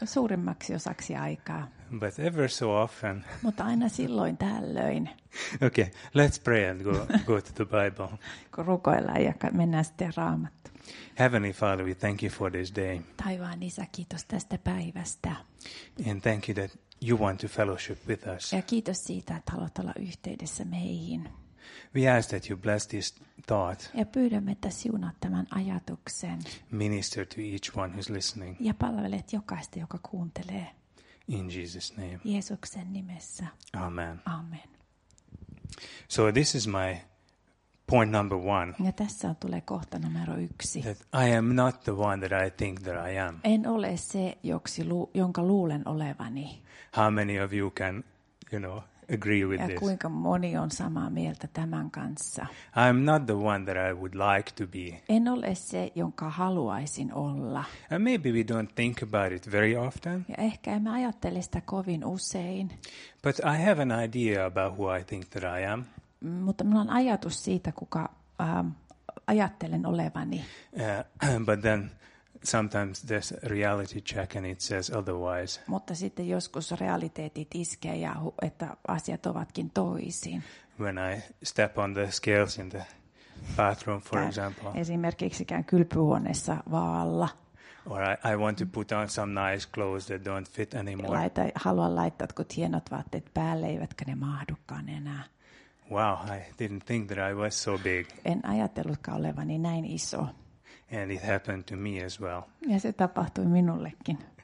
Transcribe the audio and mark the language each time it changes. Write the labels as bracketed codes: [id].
[fi] Suurimmaksi osaksi aikaa. [en] But ever so often. [fi] Mutta aina silloin tällöin. [en] Okay, let's pray and go to the Bible. [fi] Kun rukoillaan ja mennään sitten Raamattu. [en] Heavenly Father, we thank you for this day. [fi] Taivaan Isä, kiitos tästä päivästä. [en] And thank you that you want to fellowship with us. [fi] Ja kiitos siitä, että haluat olla yhteydessä meihin. [en] We ask that you bless this thought. [fi] Ja pyydämme, että siunaat tämän ajatuksen. [en] Minister to each one who's listening. [fi] Ja palvelet jokaista, joka kuuntelee. [en] In Jesus' name. [fi] Jeesuksen nimessä. [en] Amen. [fi] Amen. [en] So this is my point number one. [fi] Ja tässä tulee kohta numero yksi. [en] That I am not the one that I think that I am. [fi] En ole se, jonka luulen olevani. [en] How many of you can, you know, agree with [fi] ja [en] this? [fi] Ja kuinka moni on samaa mieltä tämän kanssa? [en] I am not the one that I would like to be. [fi] En ole se, jonka haluaisin olla. [en] And maybe we don't think about it very often. [fi] Ja ehkä emme ajattele sitä kovin usein. [en] But I have an idea about who I think that I am. [fi] Mutta minulla on ajatus siitä, kuka ajattelen olevani. [en] But then sometimes there's a reality check and it says otherwise. [fi] Mutta sitten joskus realiteetit iskee ja että asiat ovatkin toisin. [en] When I step on the scales in the bathroom, for example. [fi] Esimerkiksi käyn kylpyhuoneessa vaalla. [en] Or I want to put on some nice clothes that don't fit anymore. [fi] Haluan laittaa jotkut hienot vaatteet päälle, eivätkä ne mahdukaan enää. [en] Wow, I didn't think that I was so big. [fi] En ajatellutkaan olevani näin iso. [en] And it happened to me as well. [fi] Ja se tapahtui minullekin.